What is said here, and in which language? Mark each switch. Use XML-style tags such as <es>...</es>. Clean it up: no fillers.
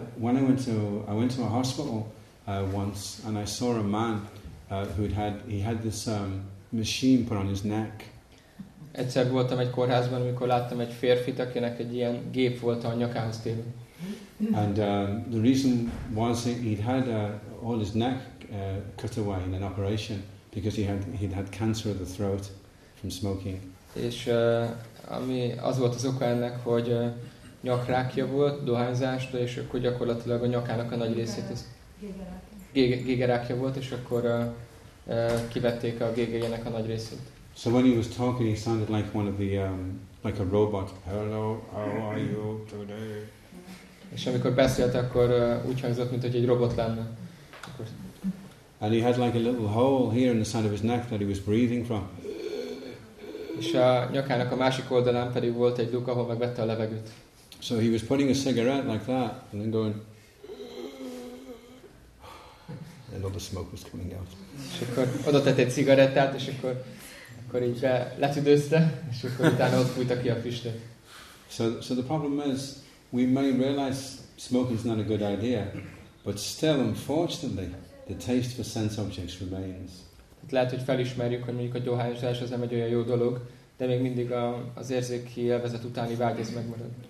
<en>When I went to a hospital once and I saw a man who had this machine put on his neck.</en> <hu>Egyszer voltam egy kórházban, amikor láttam egy férfit, akinek egy ilyen gép volt a nyakához téve.</hu> <en>And the reason was he'd had all his neck cut away in an operation because he'd had cancer of the throat from smoking.</en> <hu>És ami az volt az oka ennek, hogy nyakrákja volt, dohányzásra, és akkor gyakorlatilag a nyakának a nagy részét az gégerákja volt, és akkor kivették a gégerjének a nagy részét.</hu> <en>So when he was talking, he sounded like one of the like a robot. Hello, how are you today?</en> <hu>És amikor beszélt, akkor úgy hangzott, mint hogy egy robot lenne.</hu> <en>And he had like a little hole here in the side of his neck that he was breathing from.</en> <hu>És a nyakának a másik oldalán pedig volt egy luk, ahol megvette a levegőt.</hu> <en>So he was putting a cigarette like that and then going. And all the smoke was coming out.</en> <hu>És akkor oda tett egy cigarettát, és akkor így letüdőzte, és akkor utána ott fújta ki a füstöt.</hu> <en>So the problem is, we may realize smoking is not a good idea, but still, unfortunately, the taste for sense objects remains.</en> <hu>Lehet, hogy felismerjük, hogy mondjuk a dohányzás az nem egy olyan jó dolog, de még mindig az érzéki élvezet utáni vágy ez megmarad.</hu>